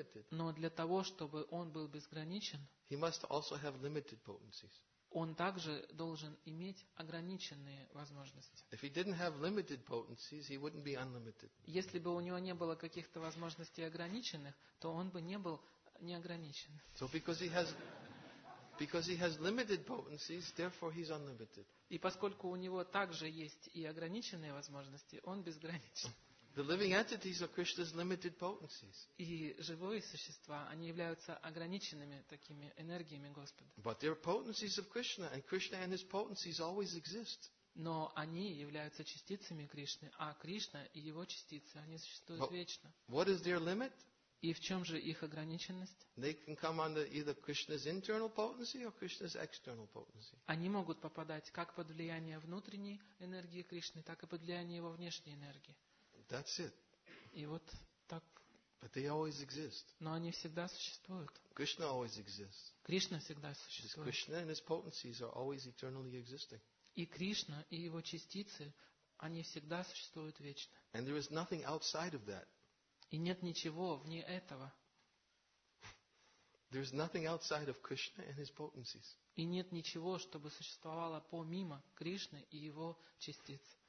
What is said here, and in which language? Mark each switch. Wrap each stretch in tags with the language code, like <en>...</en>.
<ru>Но для того, чтобы он был безграничен,</ru> <en>he must also have limited potencies.</en> <ru>Он также должен иметь ограниченные возможности.</ru> <en>If he didn't have limited potencies, he wouldn't be unlimited.</en> <ru>Если бы у него не было каких-то возможностей ограниченных, то он бы не был неограничен.</ru> <en>So because he has Because he has limited potencies, therefore he's unlimited.</en> <ru>И поскольку у него также есть и ограниченные возможности, он безграничен.</ru> <en>The living entities are Krishna's limited potencies.</en> <ru>И живые существа, они являются ограниченными такими энергиями Господа.</ru> <en>But they're potencies of Krishna, and Krishna and his potencies always exist.</en> <ru>Но они являются частицами Кришны, а Кришна и его частицы, они существуют вечно.</ru> <en>What is their limit?</en> <ru>И в чем же их ограниченность?</ru> <en>They can come under either Krishna's internal potency or Krishna's external potency.</en> <ru>Они могут попадать как под влияние внутренней энергии Кришны, так и под влияние его внешней энергии.</ru> <en>That's it.</en> <ru>И вот так.</ru> <en>But they always exist.</en> <ru>Но они всегда существуют.</ru> <en>Krishna always exists.</en> <ru>Кришна всегда существует.</ru> <en>Krishna and his potencies are always eternally existing.</en> <ru>И Кришна и его частицы, они всегда существуют вечно.</ru> <en>And there is nothing outside of that.</en> <ru>И нет ничего вне этого.</ru> <en>There's nothing outside of Krishna and his potencies.</en> <ru>И нет ничего, чтобы существовало помимо Кришны и его частиц.</ru>